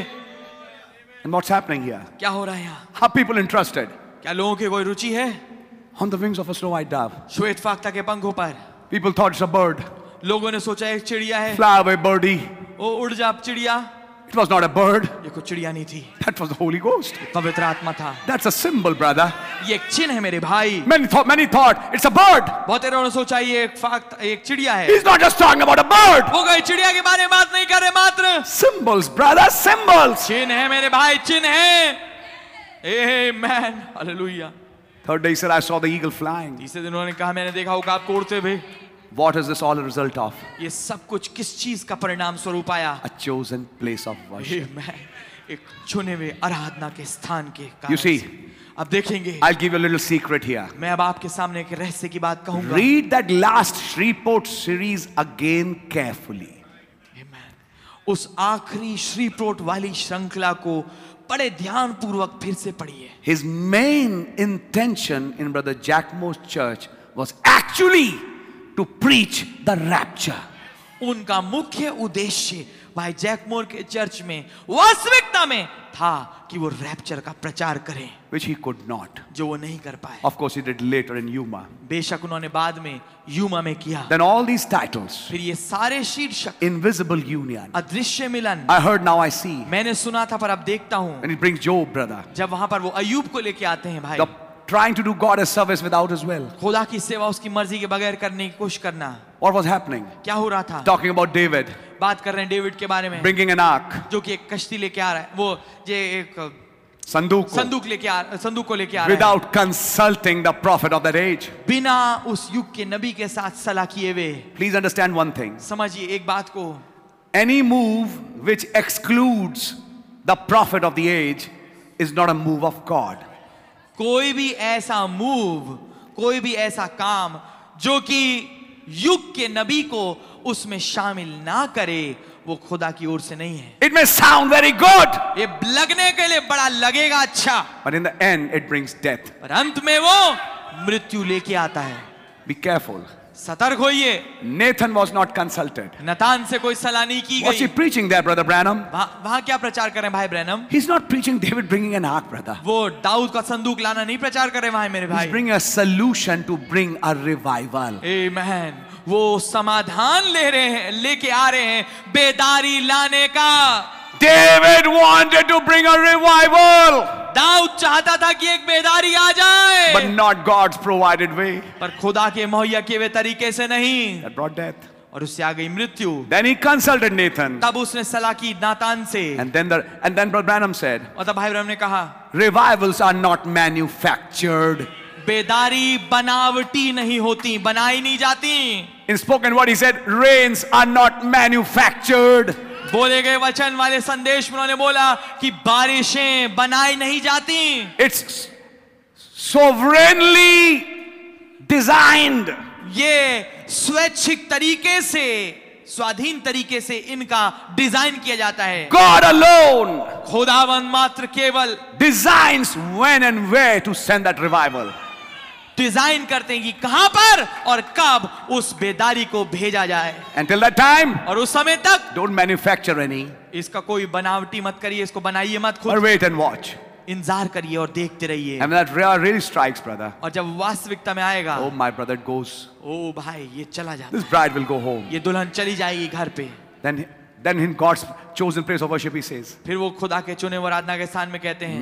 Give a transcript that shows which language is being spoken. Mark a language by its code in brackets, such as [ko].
[en] And what's happening here, [hi] क्या हो रहा है यहाँ? [en] Are people interested, [hi] क्या लोगों की कोई रुचि है? [en] On the wings of a snow white dove, [hi] श्वेत फाख्ता के पंखों पर। [en] People thought it's a bird, [hi] लोगों ने सोचा एक चिड़िया है। [en] Fly away birdie, [hi] ओ उड़ जा चिड़िया। [en] It was not a bird, [hi] ये कोई चिड़िया नहीं थी। [en] That was the Holy Ghost, [hi] पवित्र आत्मा था। [en] That's a symbol, brother, [hi] ये एक चिन्ह है मेरे भाई। [en] Many thought it's a bird, [hi] बहुत लोगों ने सोचा ये एक फाख्ता एक चिड़िया है। [en] He's not just talking about a bird, [hi] वो कोई चिड़िया के बारे में बात नहीं कर रहे मात्र। [en] Symbols, brother, symbols, [hi] चिन्ह है मेरे भाई, चिन्ह है। [en] Amen. Hallelujah. Third day, he said, I saw the eagle flying. [hi] तीसरे दिन उन्होंने कहा मैंने देखा उकाब को उड़ते हुए। [en] What is this all a result of? [hi] ये सब कुछ किस चीज का परिणाम स्वरूप आया? [en] A chosen place of worship. Amen. [hi] एक चुने हुए आराधना के स्थान के कारण। [en] You see. [hi] अब देखेंगे। [en] I'll give you a little secret here. [hi] मैं अब आपके सामने एक रहस्य की बात कहूंगा। [en] Read that last Shreveport series again carefully. Amen. [hi] उस आखिरी Shreveport वाली श्रृंखला को बड़े ध्यान पूर्वक फिर से पढ़िए। [en] His main intention in Brother Jackmo's church was actually to preach the rapture. [hi] उनका मुख्य उद्देश्य भाई जैकमो के चर्च में वास्तविकता में था कि वो रैप्चर का प्रचार करें। [en] Which he could not. [hi] जो वो नहीं कर पाए। [en] Of course he did later in Yuma. [hi] बेशक उन्होंने बाद में यूमा में किया। [en] Then all these titles. [hi] फिर ये सारे शीर्षक। [en] Invisible union. [hi] अदृश्य मिलन। [en] I heard now I see. [hi] मैंने सुना था पर अब देखता हूँ। [en] And he brings Job, brother. [hi] जब वहाँ पर वो अय्यूब को लेके आते हैं भाई। [en] Trying to do God a service without His will. [hi] खुदा की सेवा उसकी मर्जी के बगैर करने की कोशिश करना। [en] What was happening? [hi] क्या हो रहा था? [en] Talking about David. [hi] बात कर रहे हैं डेविड के बारे में। [en] Bringing an ark. [hi] जो कि एक कश्ती लेके आ रहा है। वो जे एक संदूक को। संदूक लेके आ संदूक को लेके आ रहा है। [en] Without consulting the prophet of that age. [hi] बिना उस युग के नबी के साथ सलाह किए हुए। [en] Please understand one thing. [hi] समझिए एक बात को। [en] Any move which excludes the prophet of the age is not a move of God. [hi] कोई भी ऐसा मूव, कोई भी ऐसा काम जो कि युग के नबी को उसमें शामिल ना करे, वो खुदा की ओर से नहीं है। [en] It may sound very good, [hi] ये लगने के लिए बड़ा लगेगा अच्छा, [en] but in the end it brings death, [hi] पर अंत में वो मृत्यु लेके आता है। [en] Be careful, [hi] सतर्क होइए। [en] Nathan was not consulted. [hi] नतान से कोई सलाह नहीं की गई। [en] What's he preaching there, brother Branham? [hi] वहाँ क्या प्रचार करें भाई Branham? [en] He's not preaching David bringing an ark, brother. [hi] वो दाऊद का संदूक लाना नहीं प्रचार करें वहाँ मेरे भाई। [en] He's bringing a solution to bring a revival. Amen. [hi] वो समाधान ले रहे हैं, लेके आ रहे हैं बेदारी लाने का। [en] David wanted to bring a revival. [hi] Dawood चाहता था कि एक बेदारी आ जाए। [en] But not God's provided way. [hi] पर खुदा के मुहैया किए हुए तरीके से नहीं। [en] That brought death. [hi] और उससे आ गई मृत्यु। [en] Then he consulted Nathan. [hi] तब उसने सलाह की नातान से। [en] And then Brother Branham said. [hi] और तब भाई ब्रह्म ने कहा। [en] Revivals are not manufactured. [hi] बेदारी बनावटी नहीं होती, बनाई नहीं जाती। [en] In spoken word he said, rains are not manufactured. [hi] बोले गए वचन वाले संदेश में उन्होंने बोला कि बारिशें बनाई नहीं जाती। [en] it's sovereignly designed, [hi] ये स्वैच्छिक तरीके से स्वाधीन तरीके से इनका डिजाइन किया जाता है. [en] God alone, [hi] खुदावन मात्र केवल [en] designs when and where to send that revival. [hi] Design करते हैं कि कहां पर और कब उस बेदारी को भेजा जाए. [en] Until that time, [hi] और उस समय तक [en] don't manufacture any, [hi] इसका कोई बनावटी मत करिए, इसको बनाइए मत खुद. [en] But wait and watch. [hi] इंतजार करिए और देखते रहिए. [en] And that really strikes, brother. [hi] और जब वास्तविकता में आएगा, [en] oh my brother goes. [hi] Oh भाई, ये चला जाता. [en] This bride will go home. [hi] ये दुल्हन चली जाएगी घर पे. [en] Then in God's chosen place of worship, he says. [hi] फिर वो खुदा के चुने आराधना के स्थान में कहते हैं.